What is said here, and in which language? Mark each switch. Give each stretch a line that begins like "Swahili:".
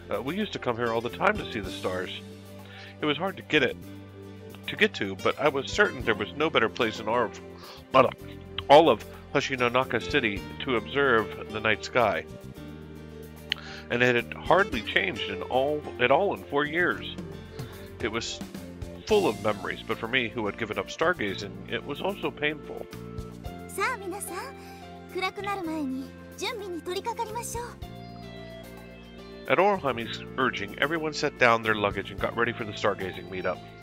English: We used to come here all the time to see the stars. It was hard to get to, but I was certain there was no better place in all of Hoshinonaka City to observe the night sky. And it had hardly changed at all in 4 years. It was full of memories, but for me, who had given up stargazing, it was also painful.
Japanese: さあ、皆さん、暗くなる前に準備に取り掛かりましょう。
English: At Orohime's urging, everyone set down their luggage and got ready for the stargazing meetup.